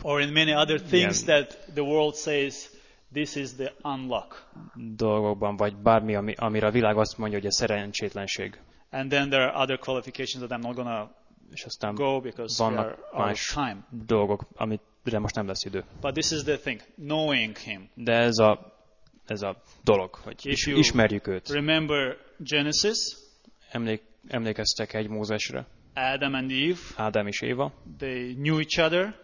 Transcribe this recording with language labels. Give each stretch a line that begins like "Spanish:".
English: Or in many other things that the world says. This is the unlock.
Hungarian: Dolgokban vagy bármi, amire a világ azt mondja, hogy a szerencsétlenség.
English: And then there are other qualifications that I'm not gonna go because we are out of time.
Hungarian: Dolgok, amire most nem lesz idő.
English: But this is the thing, knowing him.
Hungarian: De ez a dolog, hogy ismerjük őt.
English: Remember Genesis?
Hungarian: Emlékeztek egy Mózesre?
English: Adam and Eve.
Hungarian: Adam és Éva.
English: They knew each other.